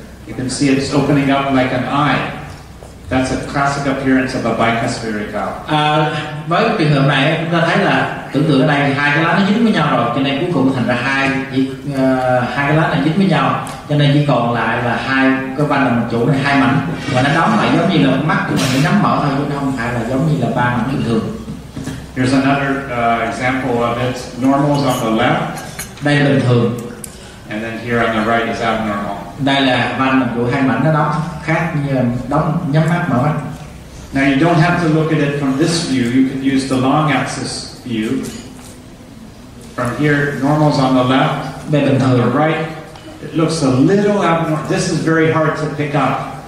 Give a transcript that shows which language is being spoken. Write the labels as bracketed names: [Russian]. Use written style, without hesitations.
[English] You can see it's opening up like an eye. That's a classic appearance of a bicuspid aortic valve. [Vietnamese] Với trường hợp này chúng ta thấy là tưởng tượng ở đây hai cái lá nó dính với nhau rồi, cho nên cuối cùng thành ra hai cái lá này dính với nhau, cho nên chỉ còn lại là hai cái van động mạch chủ này hai mảnh và nó đóng lại giống như là mắt của mình nhắm mở thôi chứ không phải là giống như là ba mảnh bình thường. [English] Here's another example of it. Normal is on the left. [Vietnamese] Đây là bình thường. [English] And then here on the right is abnormal. [Vietnamese] Đây là van động mạch chủ hai mảnh nó đóng khác như đóng nhắm mắt mở mắt. [English] Now you don't have to look at it from this view. You can use the long axis view. From here, normal's on the left. [Vietnamese] Bên bình thường. [English] On the right, it looks a little abnormal. This is very hard to pick up.